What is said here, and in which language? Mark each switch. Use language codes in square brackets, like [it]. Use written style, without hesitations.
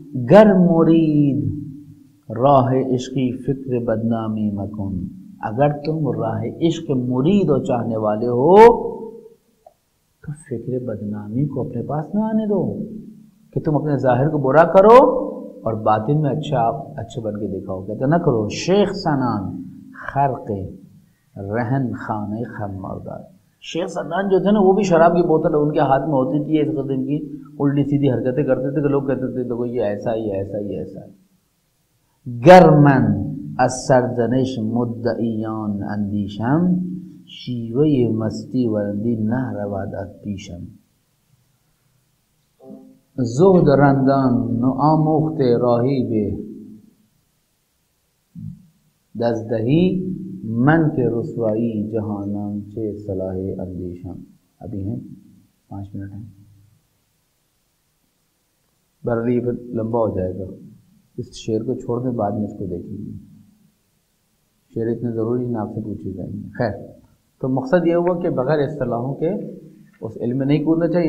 [fa] گر مرید راہ عشقی فکر بدنامی مکن، [ur] اگر تم راہ عشق مرید ہو، چاہنے والے ہو، تو فکر بدنامی کو اپنے پاس نہ آنے دو کہ تم اپنے ظاہر کو برا کرو اور باطن میں اچھا اچھے بن کے دکھاؤ. کہتے نہ کرو. [fa] شیخ سنان خرق رہن خان خمردار، [ur] شیخ سنان جو تھے نا وہ بھی شراب کی بوتل ان کے ہاتھ میں ہوتی تھی، اس قدم کی الٹی سیدھی حرکتیں کرتے تھے کہ لوگ کہتے تھے دیکھو یہ ایسا ہی ایسا ہی ایسا. [fa] گرمن از سرزنش مدعیان اندیشم، شیوه مستی ورندی نه رواد از پیشم، زهد رندان نو آموخت راهی به دزدهی، من که رسوائی جهانم چه صلاح اندیشم. [ur] ابھی ہیں پانچ منٹ ہیں، برلی پھر لمبا ہو جائے گا، اس شعر کو چھوڑ دیں، بعد میں اس کو دیکھیں گے، شعر اتنے ضروری نہ آپ سے پوچھے جائیں گے. خیر، تو مقصد یہ ہوا کہ بغیر اصطلاحوں کے اس علم میں نہیں کودنا چاہیے.